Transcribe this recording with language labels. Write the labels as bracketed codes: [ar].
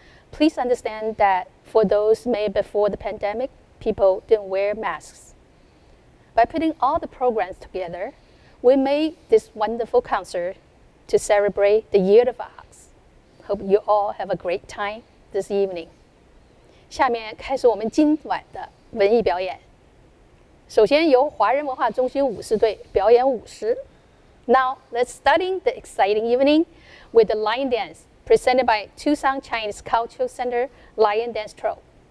[en] Please understand that for those made before the pandemic, people didn't wear masks. By putting all the programs together, we made this wonderful concert to celebrate the Year of Ox. Hope you all have a great time this evening. [zh] 下面开始我们今晚的文艺表演。首先由华人文化中心舞狮队表演舞狮。 [en] Now, let's start the exciting evening with the line dance presented by Tucson Chinese Cultural Center Lion Dance Troupe.